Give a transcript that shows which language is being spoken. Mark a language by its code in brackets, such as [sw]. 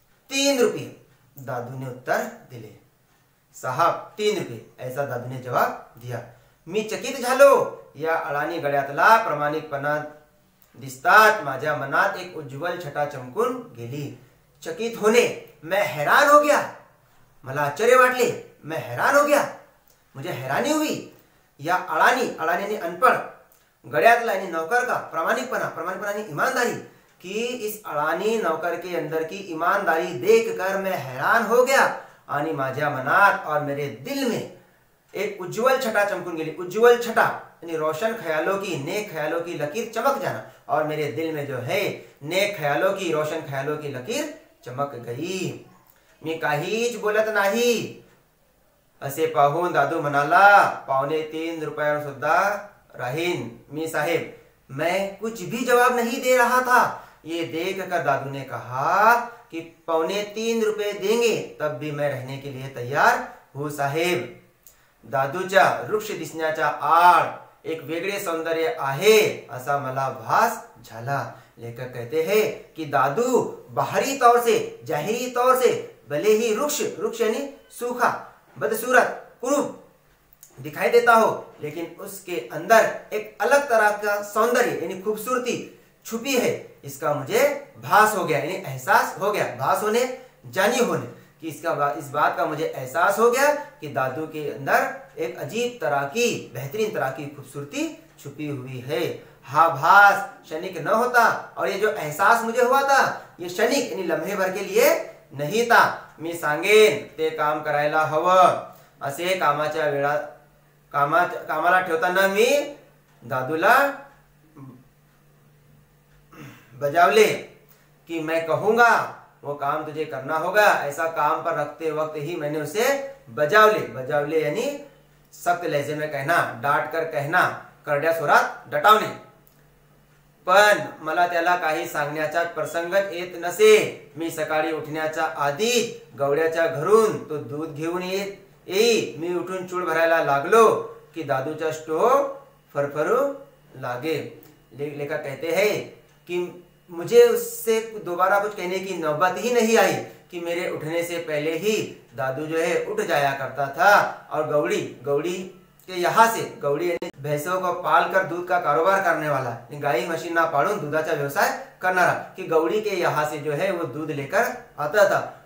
[mr] 3 रुपये, दादू ने उत्तर दिले। [hi] साहब 3 रुपये, ऐसा दादू ने जवाब दिया। [mr] मी चकित झालो, या अडाणी गळ्यातला प्रामाणिकपणा दिसतात माझ्या मनात एक उज्ज्वल छटा चमकून गेली। चकित होणे, [hi] मैं हैरान हो गया, [mr] मला आश्चर्य वाटले, [hi] मैं हैरान हो गया, मुझे हैरानी हुई। [mr] या अडाणी अनपढ गळ्यातला आणि [hi] नौकर का [mr] प्रामाणिकपणा आणि [hi] इमानदारी, कि इस अडाणी नौकर के अंदर की इमानदारी देख कर मैं हैरान हो गया [mr] आणि माझ्या मनात [hi] और मेरे दिल में एक उज्ज्वल छटा [mr] चमकून गेली। [hi] उज्ज्वल छटा यानी रोशन ख्यालों की, नेक ख्यालों की लकीर चमक जाना, और मेरे दिल में जो है नेक ख्यालों की, रोशन ख्यालों की लकीर चमक गई। [mr] मी काहीच बोलत नाही, असे पाहून दादू म्हणाला, 2.5 रुपया सुद्धा राहीन मी साहेब, [hi] मैं कुछ भी जवाब नहीं दे रहा था। ये देख कर दादू ने कहा कि 2.75 रुपये देंगे तब भी मैं रहने के लिए तैयार हूँ साहेब। [mr] दादूच्या रुक्ष दिसण्याच्या आड एक वेगळे सौंदर्य आहे असा मला भास झाला। [hi] लेखक कहते हैं कि दादू बाहरी तौर से, जाहिरी तौर से भले ही रुक्ष, रुक्ष यानी सूखा, बदसूरत, कुरूप दिखाई देता हो, लेकिन उसके अंदर एक अलग तरह का सौंदर्य यानी खूबसूरती छुपी है, इसका मुझे भास हो गया, यानी एहसास हो गया, भास होने जानी होने कि इसका, इस बात का मुझे एहसास हो गया कि दादू के अंदर एक अजीब तरह की, बेहतरीन तरह की खूबसूरती छुपी हुई है। [mr] हा भास क्षणिक न होता, [hi] और ये जो एहसास मुझे हुआ था ये क्षणिक यानी लम्हे भर के लिए नहीं था। [mr] मी सांगेन ते काम करायला हव, असे कामाच्या वेळा कामाला ठेवताना मी दादूला बजावले [hi] कि मैं कहूंगा वो काम तुझे करना होगा, ऐसा काम पर रखते वक्त ही मैंने उसे बजावले, बजावले यानी सख्त लहजे में कहना, डांट कर कहना, [mr] करड्या स्वरात डटावणे, पण मला त्याला काही सांगण्याचा प्रसंग येत नसे। मी सकाळी उठण्याच्या आधी गवड्याच्या घरून तो दूध घेऊन येई, मी उठून चूळ भरायला लागलो कि दादूचा स्टोव फरफरू लागे। [hi] लेखक कहते है कि मुझे उससे दोबारा कुछ कहने की नौबत ही नहीं आई कि मेरे उठने से पहले ही दादू जो है उठ जाया करता था, और गौड़ी, गौड़ी के यहाँ से, गौड़ी यानी भैंसों को पाल कर दूध का कारोबार करने वाला, [mr] गाय मशीन ना पालून दूधाचा व्यवसाय करणारा, [hi] कि गौड़ी के यहाँ से जो है वो दूध लेकर आता था,